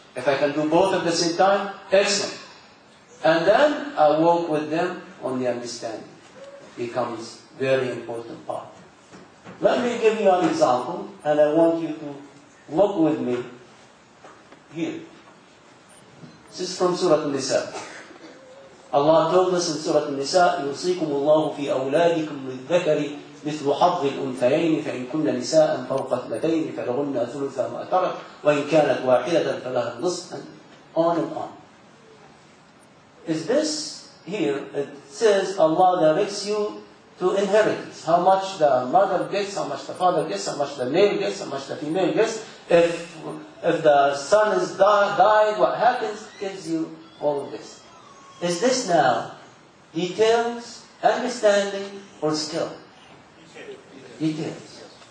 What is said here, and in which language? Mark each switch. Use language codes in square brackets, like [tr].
[en] If I can do both at the same time, excellent. And then I work with them on the understanding. It becomes very important part. Let me give you an example, and I want you to look with me here. This is from Surah An-Nisa. Allah told us in Surah An-Nisa, [ar] يُوصِيكُمُ اللَّهُ فِي أَوْلَادِكُمْ لِلذَّكَرِ مثل حظ الأنثيين فإن كن نساء فوق اثنتين فلهن ثلثا ما ترك وإن كانت واحدة فلها النصف. [en] On and on. Is this here? It says Allah directs you to inheritance. How much the mother gets, how much the father gets, how much the male gets, how much the female gets. If the son is died, what happens? Gives you all of this. Is this now details, understanding, or skill? Details.